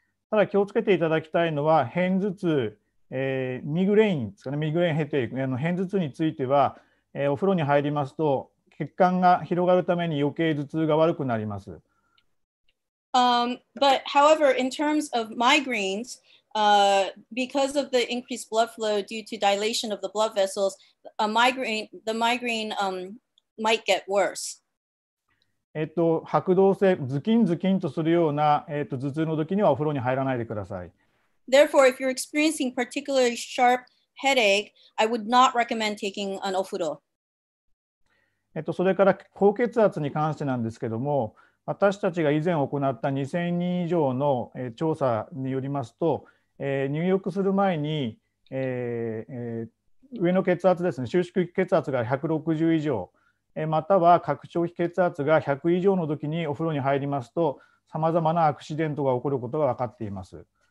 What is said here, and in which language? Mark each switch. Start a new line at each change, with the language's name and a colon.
Japanese: ただ気をつけていただきたいのは、偏頭痛、ミグレインですかね、ミグレインヘッドエイク、偏頭痛については、お風呂に入りますと血管が広がるために余計頭痛が悪くなります。
English: But however, in terms of migraines, because of the increased blood flow due to dilation of the blood vessels, the migraine might get worse.
Japanese: 白動性、ズキンズキンとするような、頭痛の時にはお風呂に入らないでください。
English: Therefore, if you're experiencing particularly sharp headache, I would not recommend taking an ofuro.
Japanese: それから高血圧に関してなんですけども、私たちが以前行った2000人以上の調査によりますと、入浴する前に、上の血圧ですね、収縮期血圧が160以上、または拡張期血圧が100以上の時にお風呂に入りますと、さまざまなアクシデントが起こることが分かっています。